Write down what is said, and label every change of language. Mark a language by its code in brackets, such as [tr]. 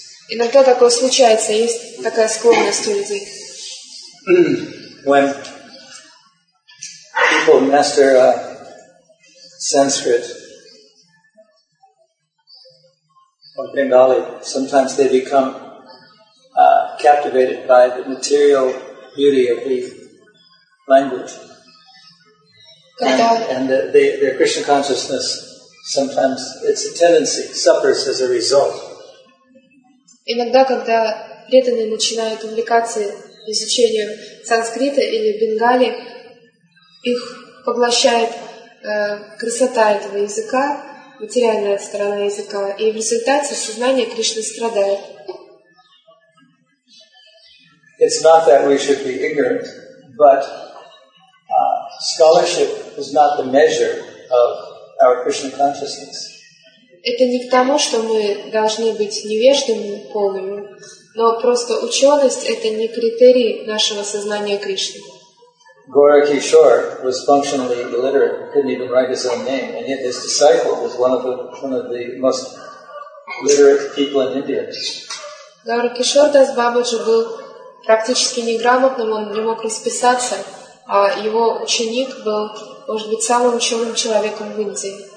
[ru] Иногда такое случается, есть такая склонность у людей. [en] When people master Sanskrit, or Bengali, sometimes they become captivated by the material beauty of the language. And their Krishna consciousness, sometimes it's a tendency, suffers as a result. [ru] Иногда, когда преданные начинают увлекаться изучением санскрита или бенгали, их поглощает красота этого языка, материальная сторона языка, и в результате сознание Кришны страдает. [en] It's not that we should be ignorant, but scholarship is not the measure of our Krishna consciousness. [ru] Это не к тому, что мы должны быть невеждами полными, но просто ученость — это не критерий нашего сознания Кришны. [en] Gaura Kishore was functionally illiterate, couldn't even write his own name, and yet his disciple was one of the most literate people in India. [ru] Gaura Kishore Das Babaji был практически неграмотным, он не мог расписаться, а его ученик был, может быть, самым ученым человеком в Индии.